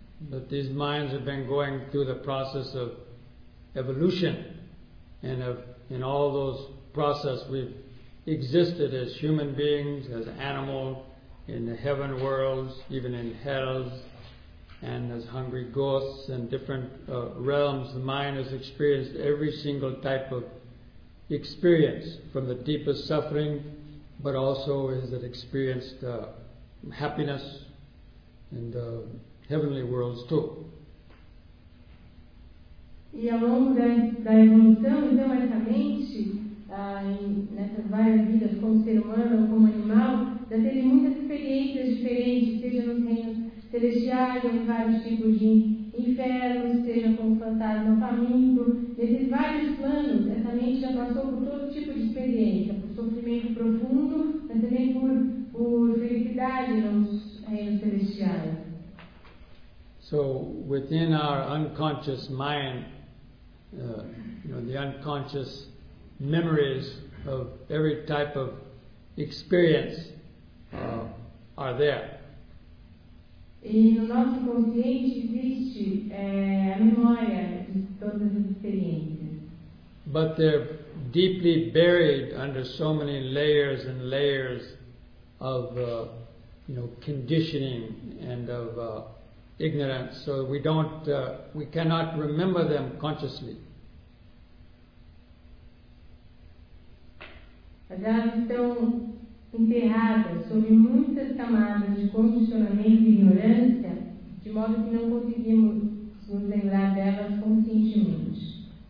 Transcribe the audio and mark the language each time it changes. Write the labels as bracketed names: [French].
[English] But these minds have been going through the process of evolution, and of in all those process we've existed as human beings, as animals, in the heaven worlds, even in hells, and as hungry ghosts and different realms. The mind has experienced every single type of experience, from the deepest suffering, but also has it experienced happiness in the heavenly worlds too. [Portuguese] E ao longo da evolução, então, essa mente, nessas várias vidas, como ser humano ou como animal, já teve muitas experiências diferentes, seja nos reinos celestiais, em vários tipos de infernos, seja como fantasma faminto. Nesses vários planos, essa mente já passou por todo tipo de experiência, por sofrimento profundo, mas também por felicidade nos reinos celestiais. [English] So, within our unconscious mind, the unconscious memories of every type of experience are there. [Portuguese] E no nosso consciente existe a memória de todas as experiências. [English] But they're deeply buried under so many layers and layers of conditioning and of ignorance, so we don't, we cannot remember them consciously. [Portuguese] Elas estão enterradas sob muitas camadas de condicionamento e ignorância, de modo que não conseguimos nos lembrar delas conscientemente.